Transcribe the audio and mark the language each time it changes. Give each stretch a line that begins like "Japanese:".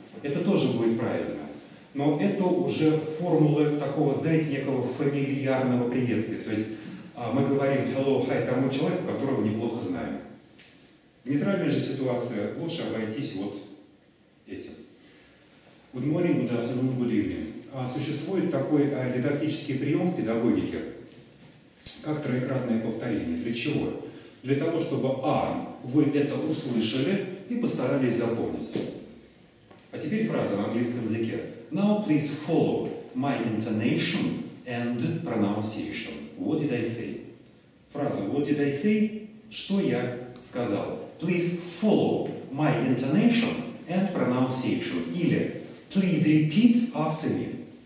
Russian: Это тоже будет правильно. Но это уже формулы такого, знаете, некого фамильярного приветствия. То есть мы говорим hello, hi тому человеку, которого неплохо знаем. В нейтральной же ситуации лучше обойтись вот этим.
English: Good morning, good afternoon, good evening.
Russian: Существует такой дидактический прием в педагогике, как троекратное повторение. Для чего? Для того, чтобы вы это услышали и постарались запомнить. А теперь фраза на английском языке.
English: Now please follow my intonation and pronunciation. What did I say?
Russian: Фраза
English: what did I say?
Russian: Что я сказал?
English: Please follow my intonation and pronunciation.
Russian: Или
English: please repeat after me.